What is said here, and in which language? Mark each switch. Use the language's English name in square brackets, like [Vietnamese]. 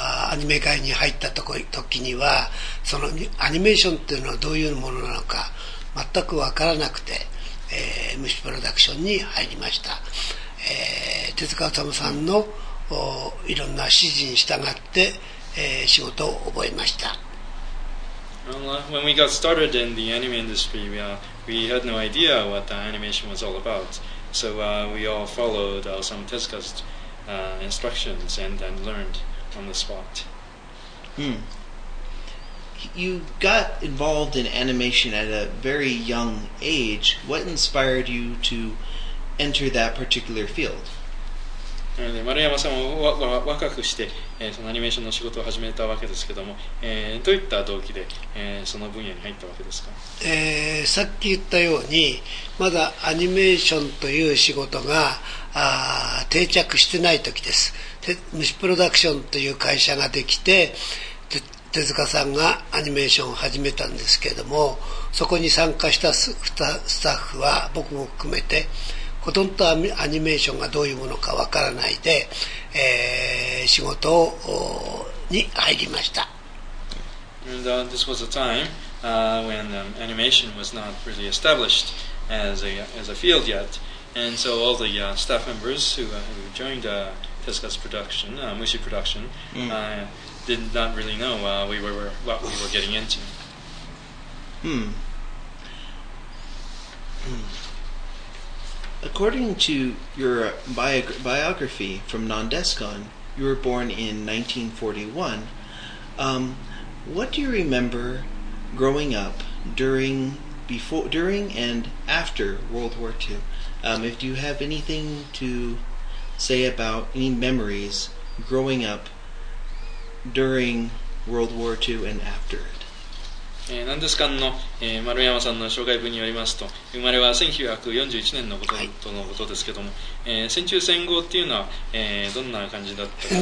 [Japanese] アニメ界に入った時にはそのアニメーションっていうのはどういうものなのか全く分からなくて、MC プロダクションに入りました。手塚治虫さんのいろんな指示に従って、仕事を覚えました。 [English] When we got started in the anime industry, we had no idea what the animation was all about. So we all followed some Tezuka's instructions and then learned on the spot. You got involved in animation at a very young age. What inspired you to enter that particular field? [Japanese] 丸山さんも若くして、そのアニメーションの仕事を始めたわけですけども、どういった動機で、その分野に入ったわけですか？さっき言ったように、まだアニメーションという仕事が定着してない時です。虫プロダクションという会社ができて、手塚さんがアニメーションを始めたんですけども、そこに参加したスタッフは僕も含めてほとんどアニメーションがどういうものかわからないで、仕事に入りました。 [English] And, this was a time when animation was not really established as a field yet, and so all the staff members who joined Tezuka's production, Mushi production, did not really know what we were getting into. According to your biography from Nandescon, you were born in 1941. What do you remember growing up during and after World War II? If you have anything to say about any memories growing up during World War II and after it? [Japanese] なんですかんの、丸山さんの紹介文によりますと生まれは1941年のこと、はい、とのことですけども、戦中戦後っていうのは、どんな感じだったか。